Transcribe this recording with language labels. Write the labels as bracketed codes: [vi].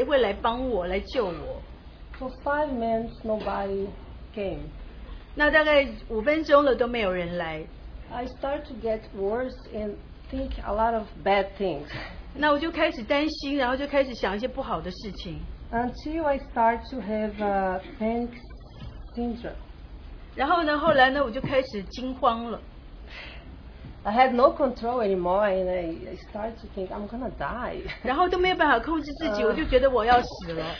[zh] 那我就是没有办法想象说谁会来帮我来救我。 [en] For 5 minutes, nobody came. [zh] 那大概5分钟了都没有人来。 [en] I start to get worse and think a lot of bad things. [zh] 那我就开始担心，然后就开始想一些不好的事情。 [en] Until I start to have panic syndrome. [zh] 然后呢，后来呢，我就开始惊慌了。 [en] I had no control anymore, and I start to think I'm gonna die. [zh] 然后都没有办法控制自己，我就觉得我要死了。